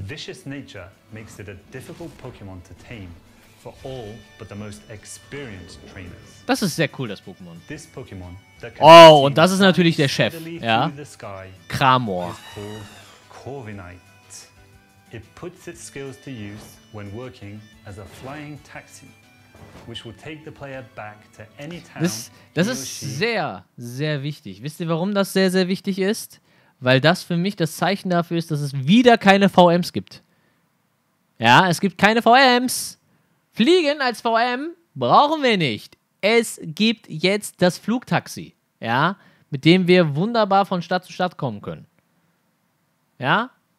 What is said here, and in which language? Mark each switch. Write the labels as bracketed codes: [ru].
[en] Its vicious nature makes it a difficult Pokémon to tame for all but the most experienced trainers. [de] Das ist sehr cool, das Pokémon. [en] This Pokémon that [de] can oh, und das ist natürlich der Chef, ja? Cramor. Corviknight. [en] It puts its skills to use when working as a flying taxi, which will take the player back to any town. [de] Das ist sehr, sehr wichtig. Wisst ihr, warum das sehr, sehr wichtig ist? Weil das für mich das Zeichen dafür ist, dass es wieder keine VMs gibt. Ja, es gibt keine VMs. Fliegen als VM brauchen wir nicht. Es gibt jetzt das Flugtaxi. Ja, mit dem wir wunderbar von Stadt zu Stadt kommen können. Ja?